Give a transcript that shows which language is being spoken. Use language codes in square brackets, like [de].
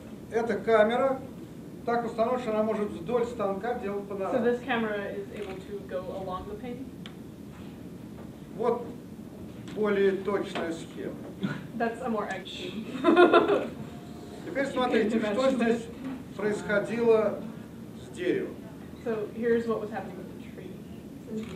[ru] Эта камера так установлена, что она может вдоль станка делать панораму. [en] So this camera is able to go along the pane? [ru] Вот более точная схема. [en] That's a more accurate. [ru] Теперь смотрите, что здесь происходило с деревом. [en] So here's what was happening with the tree.